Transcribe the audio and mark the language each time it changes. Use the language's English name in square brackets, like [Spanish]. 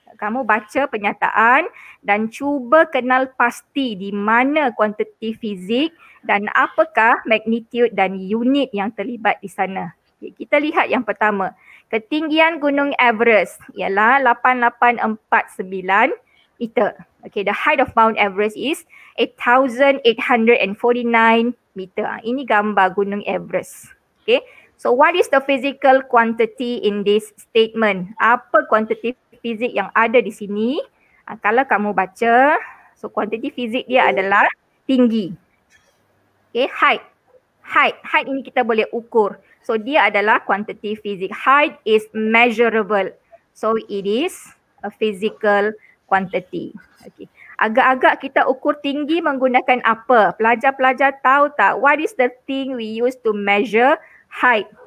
[Malay] Kamu baca pernyataan dan cuba kenal pasti di mana quantity fizik dan apakah magnitude dan unit yang terlibat di sana. Okay, kita lihat yang pertama. Ketinggian Gunung Everest ialah 8849 meter. [English] Okay, the height of Mount Everest is 8,849 meter. [Malay] Ini gambar Gunung Everest. [English] Okay, so what is the physical quantity in this statement? [Malay] Apa quantity fizik yang ada di sini? Kalau kamu baca, so quantity fizik dia adalah tinggi. [English] Okay, height. Height. [Malay] Height ini kita boleh ukur. So dia adalah quantity fizik. [English] Height is measurable. So it is a physical quantity. Okay. [Malay] Agak-agak kita ukur tinggi menggunakan apa? Pelajar-pelajar tahu tak? [English] What is the thing we use to measure height?